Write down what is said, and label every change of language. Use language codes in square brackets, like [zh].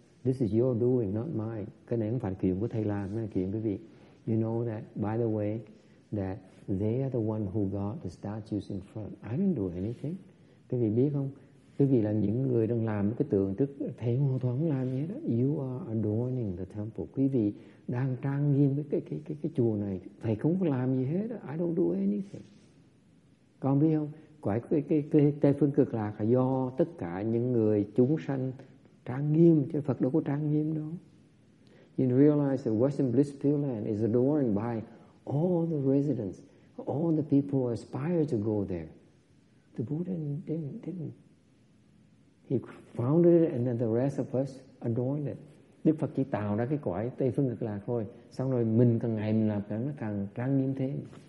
[en] This is your doing, not mine. [vi] Cái này không phải chuyện của thầy làm, nó là chuyện quý vị. [en] You know that, by the way, that they are the one who got the statues in front. I didn't do anything. [vi] Quý vị biết không? Quý vị là những người đang làm cái tượng trước, thầy hoàn toàn không làm gì hết đó. [en] You are adorning the temple. [vi] Quý vị đang trang nghiêm cái chùa này, thầy không có làm gì hết đó. [en] I don't do anything. [vi] Còn biết không? Quả cái Tây Phương Cực Lạc là do tất cả những người chúng sanh trang nghiêm, chứ Phật đâu có trang nghiêm đâu. [en] You realize that Western Bliss Pure Land is adorned by all the residents, all the people who aspire to go there. The Buddha didn't. He founded it and then the rest of us adorned it. [vi] Đức Phật chỉ tạo ra cái quả Tây Phương Cực Lạc thôi. Xong rồi mình càng ngày mình làm càng nó càng trang nghiêm thêm.